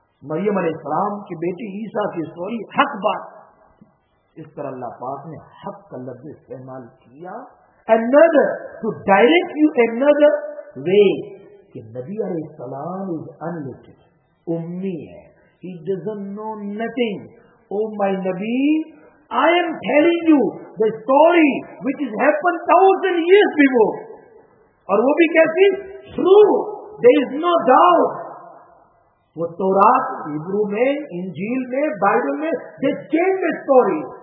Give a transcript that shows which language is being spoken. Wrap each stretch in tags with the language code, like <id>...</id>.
<ur>مریم علیہ السلام کی بیٹی عیسیٰ کی سٹوری حق بات. اس طرح اللہ پاک نے حق کا لفظ استعمال کیا</ur> <en>another to direct you another way</en> <ur>کہ نبی علیہ السلام</ur> <en>is unlimited</en> <ur>امی ہے.</ur> <en>He doesn't know nothing. Oh my Nabi, I am telling you the story which has happened 1,000 years before.</en> <ur>اور وہ بھی کیسی</ur> <en>true. There is no doubt.</en> <ur>وہ تورات عبرو میں انجیل میں بائبل میں</ur> <en>they change the story.</en>